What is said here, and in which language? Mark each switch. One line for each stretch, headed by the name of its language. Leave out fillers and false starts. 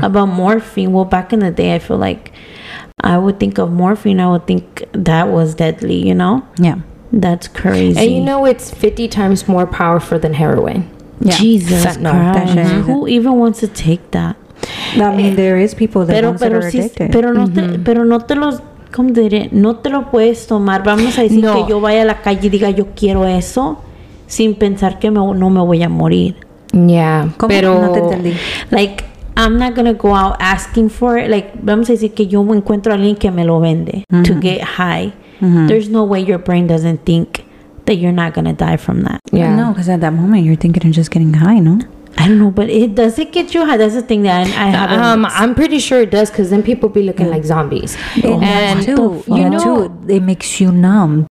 English: About morphine, well, back in the day, I feel like I would think of morphine, I would think that was deadly, you know? Yeah. That's crazy. And you know, it's 50 times more powerful than heroin. Yeah. Jesus Christ. Mm-hmm. Who even wants to take that? I mean, there is people that, pero are addicted.
Spanish: Pero no, mm-hmm. pero no te los... Como diré, no te lo puedes tomar. Vamos a decir no. que yo vaya a la calle y diga yo quiero eso sin pensar que me, no me voy a morir. Yeah, ¿cómo? Pero no te entendí.
English: Like, I'm not gonna go out asking for it.
Spanish: Like, vamos a decir que yo encuentro a alguien que me lo vende mm-hmm.
English: to get high. Mm-hmm. There's no way your brain doesn't think that you're not gonna die from that. Yeah, no, because at that moment you're thinking of just getting high, no? I don't know, but it does it get you high? That's the thing that I have. I'm pretty sure it does, because then people be looking yeah. like zombies. It makes you numb.